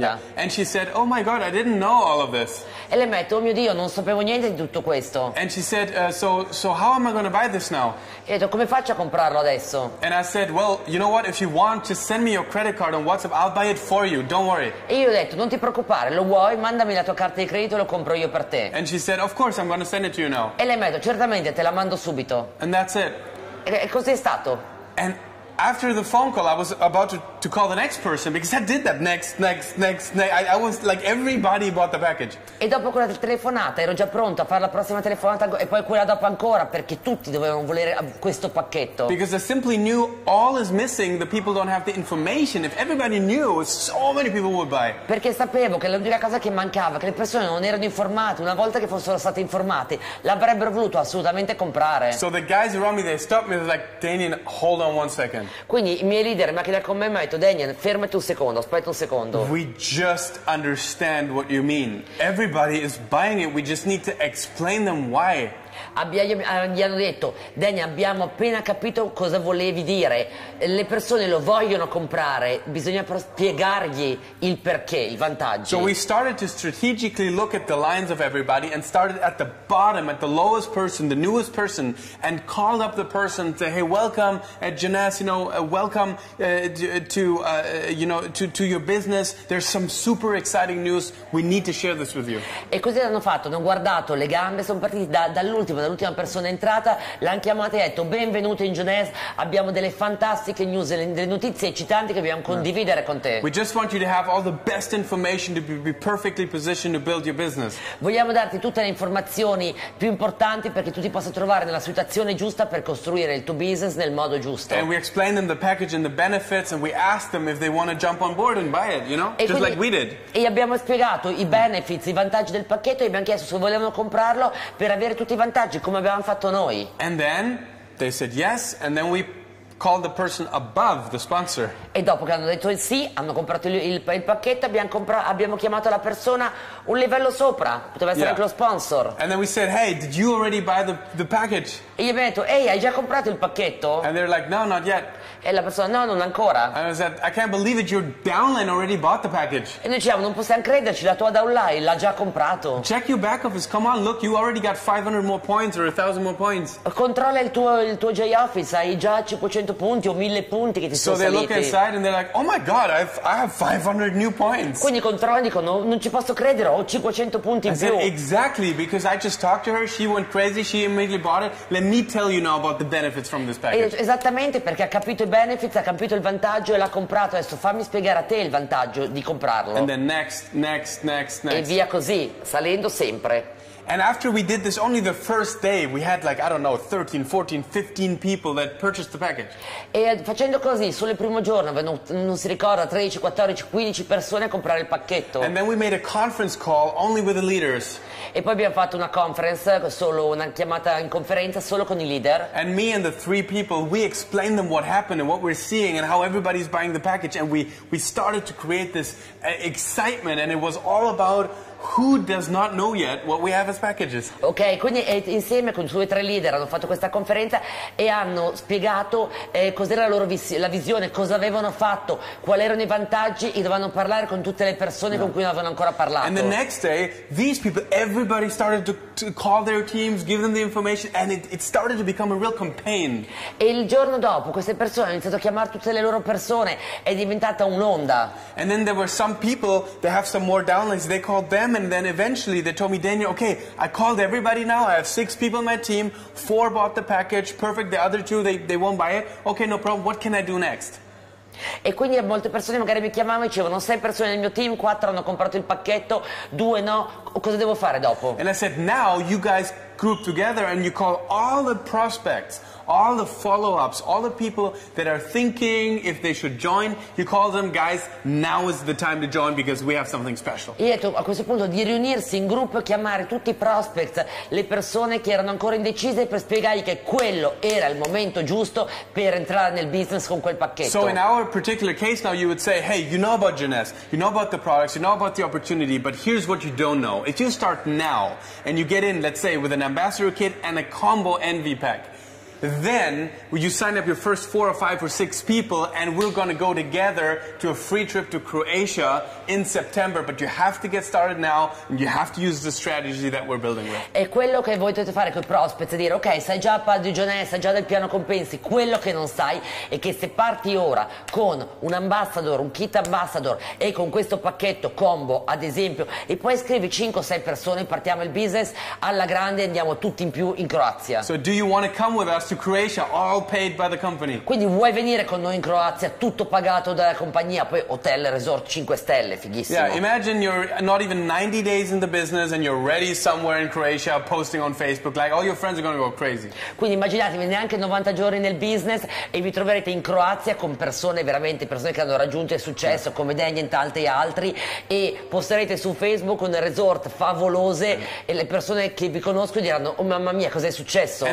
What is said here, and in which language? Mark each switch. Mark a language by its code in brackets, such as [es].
[en] Yeah. And she said, oh my God, I didn't know all of this. [it] E le metto, oh mio Dio, non sapevo niente di tutto questo. [en] And she said, so how am I going to buy this now? [it] E detto, come faccio a comprarlo adesso? [en] And I said, well, you know what, if you want, just send me your credit card on WhatsApp, I'll buy it for you, don't worry. [it] E io ho detto, non ti preoccupare, lo vuoi, mandami la tua carta di credito e lo compro io per te. [en] And she said, of course, I'm going to send it to you now. [it] E le metto, certamente, te la mando subito. [en] And that's it. [it] E così è stato. [en] And after the phone call, I was about to call the next person because I did that next. I was like everybody bought the package. [it] E dopo quella telefonata ero già pronto a fare la prossima telefonata e poi quella dopo ancora perché tutti dovevano volere questo pacchetto. [en] Because I simply knew all is missing. The people don't have the information. If everybody knew, so many people would buy. [it] Perché sapevo che l'unica cosa che mancava, che le persone non erano informate. Una volta che fossero state informate, l'avrebbero voluto assolutamente comprare. [en] So the guys around me, they stopped me. They're like, Daniel, hold on one second. [it] Quindi i miei leader, ma che da con me, mi ha detto Daniel, fermati un secondo, aspetta un secondo. [en] We just understand what you mean. Everybody is buying it, we just need to explain them why. [it] Gli hanno detto, Daniel, abbiamo appena capito cosa volevi dire. Le persone lo vogliono comprare, bisogna spiegargli il perché, il vantaggio. [en] So we started to strategically look at the lines of everybody and started at the bottom, at the lowest person, the newest person, and called up the person and say, hey, welcome at Jeunesse, you know, welcome to your business. There's some super exciting news. We need to share this with you. [it] E così l'hanno fatto, hanno guardato le gambe, sono partiti dall'ultima persona entrata, l'hanno chiamata e ha detto benvenuto in Jeunesse, abbiamo delle fantastiche news, delle notizie eccitanti che dobbiamo condividere con te. [en] We just want you to have all the best information to be perfectly positioned to build your business. [it] Vogliamo darti tutte le informazioni più importanti perché tu ti possa trovare nella situazione giusta per costruire il tuo business nel modo giusto. [en] And we explain them the package and the benefits and we ask them if they want to jump on board and buy it, you know, just like we did. [it] E abbiamo spiegato i benefits, i vantaggi del pacchetto e abbiamo chiesto se volevano comprarlo per avere tutti i vantaggi come abbiamo fatto noi. [en] And then they said yes, and then we called the person above, the sponsor. [it] E dopo che hanno detto sì, hanno comprato il pacchetto, abbiamo chiamato la persona un livello sopra, poteva essere anche lo sponsor. [en] And then we said, hey, did you already buy the package? [it] E gli abbiamo detto, ehi, hai già comprato il pacchetto? [en] And they're like, no, not yet. [it] E la persona, no, non ancora. [en] And I said, I can't believe it, your downline already bought the package. [it] E noi dicevamo, non possiamo crederci, la tua downline l'ha già comprato. [en] Check your back office, come on, look, you already got 500 more points or 1,000 more points. [it] Controlla il tuo J office, hai già 500 punti o 1,000 punti che ti so sono saliti. [en] So they look inside and they're like, oh my God, I have 500 new points. [it] Quindi controlla e dicono, non ci posso credere, ho 500 punti in più. [en] Said, exactly, because I just talked to her, she went crazy, she immediately bought it. Let me tell you now about the benefits from this package. [it] Esattamente, perché ha capito i benefits, ha capito il vantaggio e l'ha comprato. Adesso fammi spiegare a te il vantaggio di comprarlo. [en] And then next. [it] E via così, salendo sempre. [en] And after we did this, only the first day, we had like, I don't know, 13, 14, 15 people that purchased the package. [it] E facendo così, solo il primo giorno, non si ricorda, 13, 14, 15 persone a comprare il pacchetto. [en] And then we made a conference call only with the leaders. [it] E poi abbiamo fatto una conference, solo una chiamata in conferenza, solo con i leader. [en] And me and the three people, we explained them what happened and what we're seeing and how everybody's buying the package. And we started to create this excitement and it was all about who does not know yet what we have as packages. [it] Ok, quindi insieme con i suoi tre leader hanno fatto questa conferenza e hanno spiegato cos'era la loro la visione, cosa avevano fatto, quali erano i vantaggi e dovevano parlare con tutte le persone con cui non avevano ancora parlato. [en] And the next day, these people, everybody started to call their teams, give them the information, and it started to become a real campaign. [it] E il giorno dopo, queste persone hanno iniziato a chiamare tutte le loro persone, è diventata un'onda. [en] And then there were some people that have some more downlines, they called them, and then eventually they told me, Daniel, okay, I called everybody now, I have 6 people in my team, 4 bought the package, perfect, the other 2, they won't buy it, okay, no problem, what can I do next? [it] E quindi molte persone magari mi chiamavano e dicevano, 6 persone nel mio team, 4 hanno comprato il pacchetto, 2 no, cosa devo fare dopo? [en] And I said, now you guys group together and you call all the prospects, all the follow-ups, all the people that are thinking if they should join, you call them, guys, now is the time to join because we have something special. [it] E detto a questo punto di riunirsi in gruppo e chiamare tutti i prospects, le persone che erano ancora indecise per spiegargli che quello era il momento giusto per entrare nel business con quel pacchetto. [en] So in our particular case now you would say, hey, you know about Jeunesse, you know about the products, you know about the opportunity, but here's what you don't know. If you start now and you get in, let's say, with an ambassador kit and a combo envy pack, then you sign up your first 4 or 5 or 6 people and we're gonna go together to a free trip to Croatia in September, but you have to get started now and you have to use the strategy that we're building with. [it] E quello che voi dovete fare con i prospects è dire, ok, sai già di Jeunesse, sai già del piano compensi, quello che non sai è che se parti ora con un ambassador, un kit ambassador e con questo pacchetto combo ad esempio e poi scrivi 5 o 6 persone, partiamo il business alla grande e andiamo tutti in più in Croazia. [en] So do you want to come with us to Croatia, all paid by the company? [it] Quindi vuoi venire con noi in Croazia, tutto pagato dalla compagnia, poi hotel, resort 5 stelle, fighissimo. [en] Yeah, imagine you're not even 90 days in the business and you're ready somewhere in Croatia posting on Facebook, like all your friends are gonna go crazy. [it] Quindi immaginatevi, neanche 90 giorni nel business e vi troverete in Croazia con persone, veramente persone che hanno raggiunto il successo, come Daniel e tanti altri, e posterete su Facebook un resort favolose e le persone che vi conoscono diranno, oh mamma mia, cos'è successo?